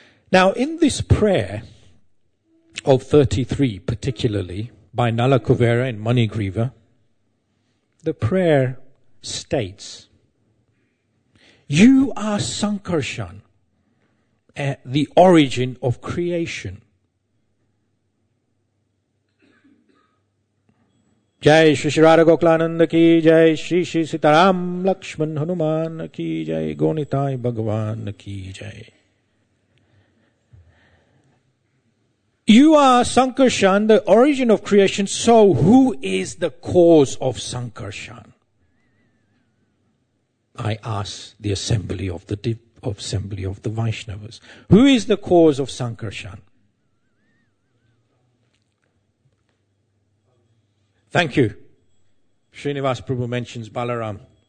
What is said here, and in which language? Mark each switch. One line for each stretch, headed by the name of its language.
English: Now, in this prayer of 33, particularly by Nala Kuvera and Manigriva, the prayer states, you are Sankarshan, the origin of creation.
Hindi: जय श्री श्री राधा गोकुलानंद की, जय श्री श्री सीताराम लक्ष्मण हनुमान की, जय गोनिताय भगवान की, जय।
English: You are Sankarshan the origin of creation, so who is the cause of Sankarshan? I ask the assembly of the Vaishnavas, who is the cause of Sankarshan? Thank you. Srinivas Prabhu mentions Balaram.